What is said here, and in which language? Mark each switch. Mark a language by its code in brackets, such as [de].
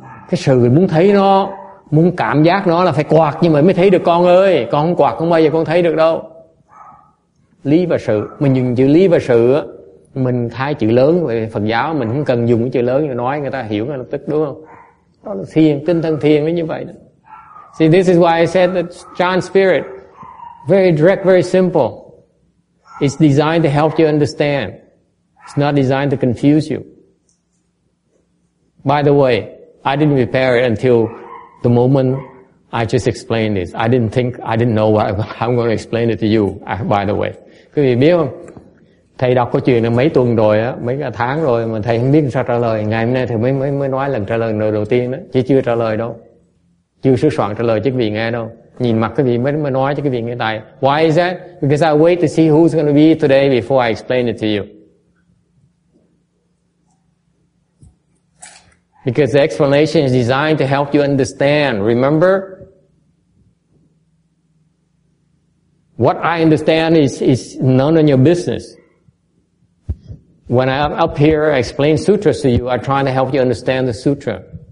[vi] Cái sự muốn thấy nó, muốn cảm giác nó là phải quạt nhưng mà mới thấy được. Con ơi, con không quạt không bao giờ con thấy được đâu. Lý và sự. Mình dùng chữ lý và sự á, mình thay chữ lớn. Phật giáo mình không cần dùng cái chữ lớn, nói người ta hiểu ngay lập tức, đúng không? Đó là thiền, tinh thần thiền mới như vậy đó. [en] See, this is why I said that chan spirit, very direct, very simple. It's designed to help you understand. It's not designed to confuse you. By the way, I didn't prepare it until the moment I just explained this. I didn't know what I'm going to explain it to you, by the way. [vi] Quý vị biết không? Thầy đọc cái chuyện này mấy tuần rồi á, mấy cả tháng rồi mà thầy không biết sao trả lời. Ngày hôm nay thầy mới nói lần trả lời lần đầu tiên á, chứ chưa trả lời đâu. Chưa sửa soạn trả lời cho quý vị nghe đâu. Nhìn mặt quý vị mới nói cho quý vị nghe tại. [en] Why is that? Because I wait to see who's going to be today before I explain it to you. Because the explanation is designed to help you understand. Remember? What I understand is none of your business. When I'm up here, I explain sutras to you, I'm trying to help you understand the sutra.